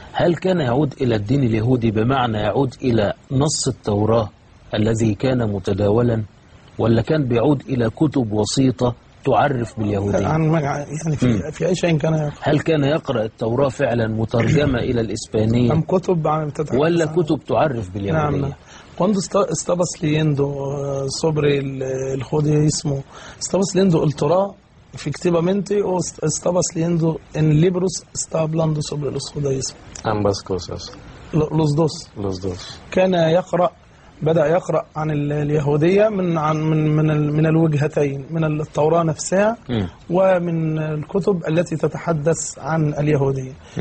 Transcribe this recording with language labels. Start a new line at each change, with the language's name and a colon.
Arabic: هل كان يعود إلى الدين اليهودي بمعنى يعود إلى نص التوراة الذي كان متداولا, ولا كان بيعود إلى كتب وسيطة تعرف باليهودية؟ يعني في أي شيء كان يقرأ؟ هل كان يقرأ التوراة فعلا مترجمة إلى الإسبانية؟ أم كتب ولا كتب تعرف باليهودية؟ نعم.
Portuguese: quando estava lendo sobre o judaísmo, estava lendo o Torá efectivamente ou estava lendo em livros estava falando sobre o judaísmo? Ambas coisas.
Spanish: Los dos.
Arabic: كان يقرأ بدأ يقرأ عن اليهودية من الوجهتين, من التوراة نفسها ومن الكتب التي تتحدث عن اليهودية.